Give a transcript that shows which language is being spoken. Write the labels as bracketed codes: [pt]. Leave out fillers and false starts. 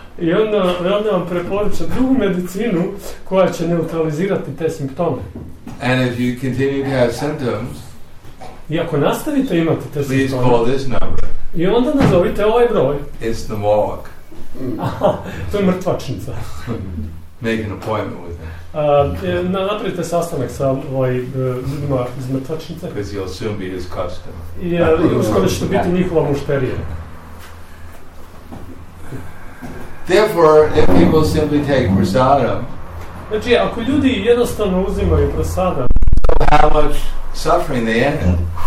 [hr] I onda vam preporuča drugu medicinu koja će neutralizirati te simptome. [en] And if you continue to have symptoms, [hr] i ako nastavite imati te [en] please [hr] simptome, [en] call this number. [hr] I onda nazovite ovaj broj. [en] It's the morgue. [hr] To je mrtvačnica. [en] make an appointment with them. [hr] Napravite sastanak sa ljudima iz mrtvačnice. [en] Because you'll soon be his customer. [hr] Jer uskoro ćete biti njihova mušterija. [en] Therefore, if people simply take prasadam, [hr] znači, ako ljudi jednostavno uzimaju prasadam, [en] so how much suffering they end up.